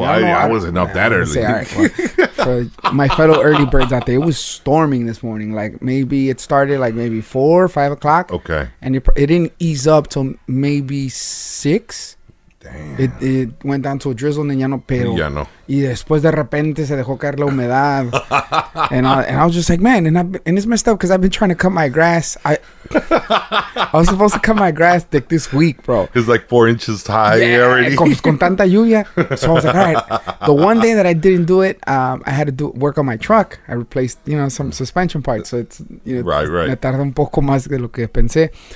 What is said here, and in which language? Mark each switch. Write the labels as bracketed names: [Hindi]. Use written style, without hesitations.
[English] I wasn't up that early. For my fellow early birds out there, it was storming this morning. Like maybe it started like maybe 4 or 5 o'clock. Okay. And it didn't ease up till maybe 6. It went down to a drizzle, and then ya no pedo. [Spanish] Ya no. Y después de repente se dejó caer la humedad. [English] And I was just like, man, and it's messed up because I've been trying to cut my grass. I was supposed to cut my grass like this week, bro. It's like 4 inches high already. Con tanta lluvia. So I was like, all right. The one day that I didn't do it, I had to do work on my truck. I replaced, you know, some suspension parts. So it's, you know, right. [Spanish] Me tarda un poco más de lo que pensé.